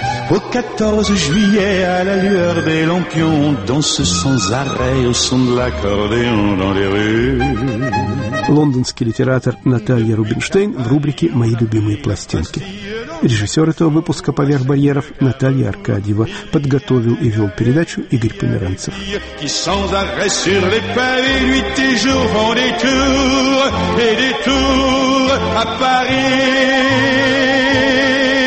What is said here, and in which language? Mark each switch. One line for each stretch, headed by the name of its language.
French: Au 14 juillet, à la lueur des lampions, on danse sans arrêt au son de l'accordéon dans les rues.
Russian: Лондонский литератор Наталья Рубинштейн в рубрике «Мои любимые пластинки». Режиссер этого выпуска «Поверх барьеров» Наталья Аркадьева. Подготовил и вел передачу Игорь Померанцев.
French: Qui sans arrêt sur les pavés, nuit et jour font des tours, et des tours à Paris.